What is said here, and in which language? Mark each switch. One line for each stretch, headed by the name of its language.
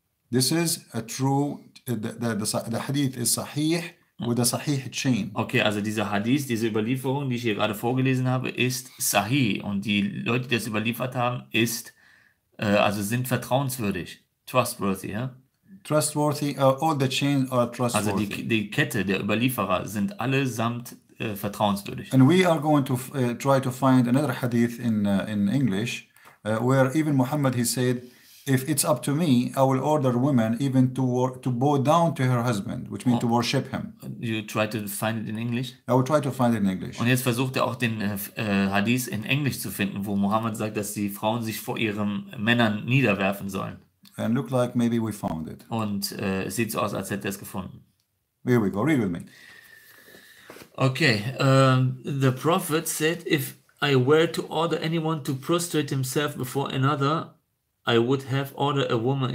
English: This is a true, the Hadith is Sahih with a Sahih chain.
German: Okay, also dieser Hadith, diese Überlieferung, die ich hier gerade vorgelesen habe, ist Sahih. Und die Leute, die das überliefert haben, ist, also sind vertrauenswürdig.
English: Trustworthy, ja? Trustworthy, all the chains are trustworthy.
German: Also die Kette der Überlieferer sind allesamt vertrauenswürdig.
English: And we are going to try to find another Hadith in English. Where even Muhammad, he said, if it's up to me, I will order women even to bow down to her husband, which means to worship him. You try to find it in English? I will try to find it in English.
German: Und jetzt versucht auch den Hadith in Englisch zu finden, wo Muhammad sagt, dass die Frauen sich vor ihren Männern niederwerfen sollen.
English: And look like maybe we found it.
German: Und es sieht so aus, als hätte er es gefunden.
English: Here we go, read with me. Okay, the prophet said, if I were to order anyone to prostrate himself before another, I would have ordered a woman.